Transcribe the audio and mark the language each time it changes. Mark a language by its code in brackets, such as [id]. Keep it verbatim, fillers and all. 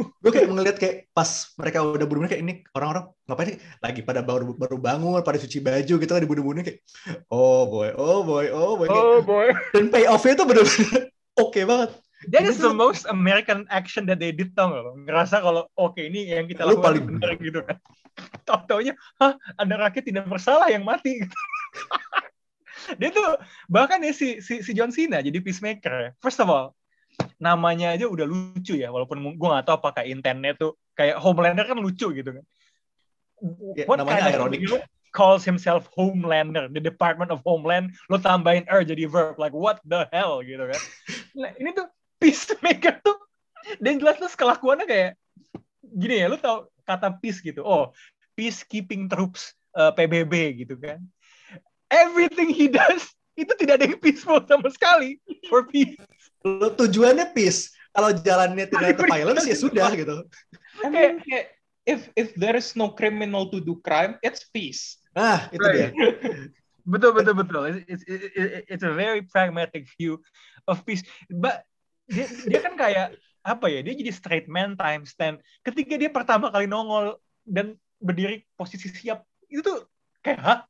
[id] Gue kayak ngeliat kayak pas mereka udah bunuh kayak ini orang-orang ngapain sih lagi pada baru baru bangun, pada cuci baju gitu kan, dibunuh-bunuh kayak [en] oh boy, oh boy, oh boy. Oh [id] kayak, [en] boy. [id] Dan payoff-nya tuh benar-benar oke okay banget. [en] That is the most American action that they did, [id] tau gak? Ngerasa kalau oke okay, ini yang kita lakukan benar gitu kan. Tau-taunya, hah, ada rakyat tidak bersalah yang mati gitu. Dia tuh bahkan ya si, si si John Cena jadi peacemaker. [en] First of all, [id] namanya aja udah lucu ya, walaupun gue nggak tahu apakah intentnya tuh kayak Homelander kan lucu gitu kan. [en] Ya, what namanya kind ironic. Of calls himself Homelander, the Department of Homeland, [id] lo tambahin [en] er jadi verb, like what the hell [id] gitu kan. Nah, ini tuh peacemaker tuh, dan jelas-jelas kelakuannya kayak gini ya, lo tau kata peace gitu, oh peacekeeping troops uh, P B B gitu kan. [en] Everything he does [id] itu tidak ada yang peaceful sama sekali. [en] For peace. [id] Tujuannya peace. Kalau jalannya tidak ada violence ya sudah gitu. [en] I mean, if if there is no criminal to do crime, it's peace. [id] Ah, itu right. dia. betul betul betul. [en] It's, it's it's a very pragmatic view of peace. [id] But dia, dia kan kayak apa ya? Dia jadi [en] straight man times ten. [id] Ketika dia pertama kali nongol dan berdiri posisi siap, itu tuh kayak hah?